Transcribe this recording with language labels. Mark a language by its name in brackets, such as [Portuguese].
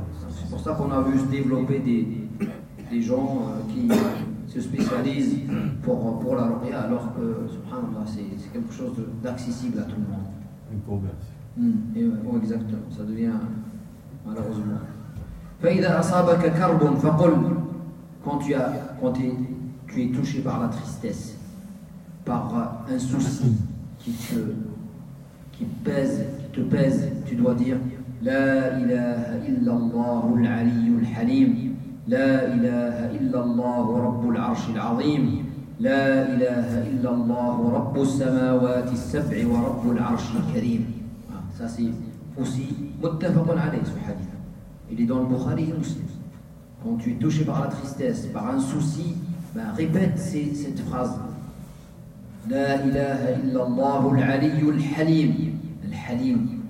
[French] C'est pour ça qu'on a vu se développer des gens qui se spécialisent pour la ruqya, alors que, subhanallah, c'est quelque chose d'accessible à tout le monde. Une commerce. Exactement, ça devient... Malheureusement. [Arabic] فإذا أصابك كرب فقل [French] quand tu es touché par la tristesse, par un souci qui te pèse, tu dois dire [Arabic] لا إله إلا الله العلي الحليم لا إله إلا الله رب العرش العظيم لا إله إلا الله رب السماوات السبع ورب العرش الكريم. [French] Ça c'est aussi متفق عليه ce hadith. Il est dans le Bukhari et Muslim. Quand tu es touché par la tristesse, par un souci, ben répète cette phrase. [Arabic] La ilaha illallah al-aliyul halim. Al-halim.